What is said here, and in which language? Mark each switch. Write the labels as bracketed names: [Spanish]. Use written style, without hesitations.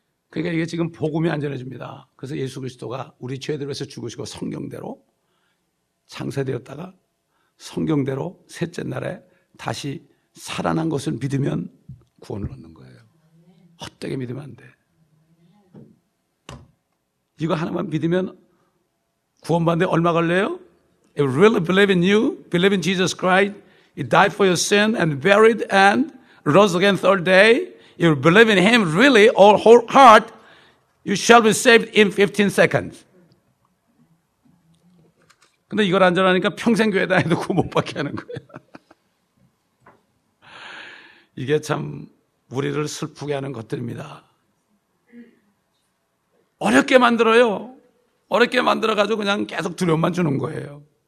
[Korean] 그러니까 이게 지금 복음이 안전해집니다. 그래서 예수 그리스도가 우리 죄들을 위해서 죽으시고 성경대로 창세되었다가 성경대로 셋째 날에 다시 살아난 것을 믿으면 구원을 얻는 거예요. 헛되게 믿으면 안 돼. 이거 하나만 믿으면 구원받는데 얼마 걸려요? [English] If you really believe in you, believe in Jesus Christ, He died for your sin and buried and rose again third day. If you believe in Him really all whole heart, you shall be saved in 15 seconds. [Korean] 근데 이걸 안 전하니까 평생 교회 다녀도 구원 못 받게 하는 거예요. 이게 참 우리를 슬프게 하는 것들입니다. 어렵게 만들어요. 어렵게 만들어가지고 그냥 계속 두려움만 주는 거예요.